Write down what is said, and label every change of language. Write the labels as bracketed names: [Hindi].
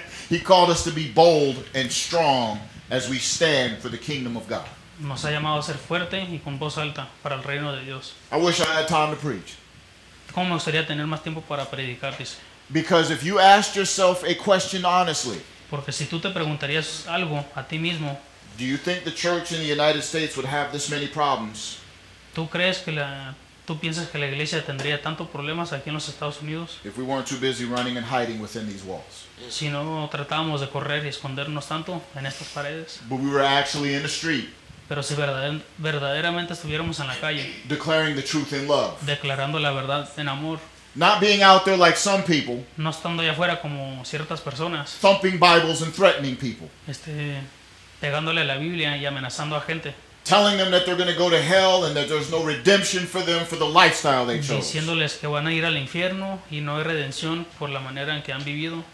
[English] He called us to be bold and strong as we stand for the kingdom of God. [Spanish] Nos ha llamado a ser fuerte y con voz alta para el reino de Dios. [English] I wish I had time to preach. [Spanish] ¿Cómo me gustaría tener más tiempo para predicar, dice? [English] Because if you asked yourself a question honestly, [Spanish] porque si tú te preguntarías algo a ti mismo, [English] do you think the church in the United States would have this many problems? [Spanish] ¿Tú crees que la ¿Tú piensas que la iglesia tendría tantos problemas aquí en los Estados Unidos? [English] If we weren't too busy running and hiding within these walls. [Spanish] Si no tratábamos de correr y escondernos tanto en estas paredes. [English] But we were actually in the street. [Spanish] Pero si verdaderamente estuviéramos en la calle. [English] Declaring the truth in love. [Spanish] Declarando la verdad en amor. [English] Not being out there like some people. [Spanish] No estando allá afuera como ciertas personas. [English] Thumping Bibles and threatening people. [Spanish] Pegándole a la Biblia y amenazando a gente. [English] Telling them that they're going to go to hell and that there's no redemption for them for the lifestyle they chose. [Spanish] Diciéndoles que van a ir al infierno y no hay redención por la manera en que han vivido.